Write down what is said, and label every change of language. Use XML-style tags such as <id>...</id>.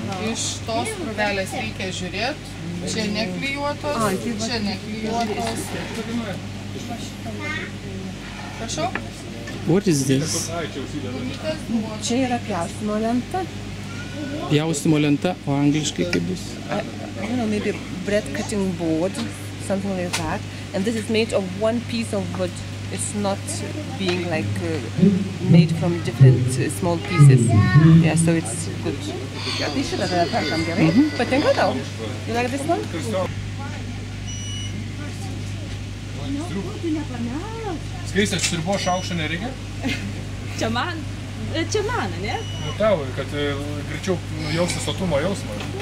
<lt>Iš tos krūvelės reikia žiūrėti. Čia neklyjuotos, čia neklyjuotos. Prašau.</lt> <en>What is this?</en> <lt>Čia yra pjaustymo lenta. Pjaustymo lenta, o angliškai kaip bus?</lt> <en>I don't know, maybe bread cutting board, something like that. And this is made of one piece of wood. It's not being like made from different small pieces. Yeah, so it's good.</en> <lt>Tai šitą tada perkam, gerai? Patinka tau?</lt> <en>You like this one?</en> <lt>Skaisti, aš sirbo šaukščio nereikia? Čia man, ne? Nu tau, kad greičiau jausti sotumo jausmą.</lt>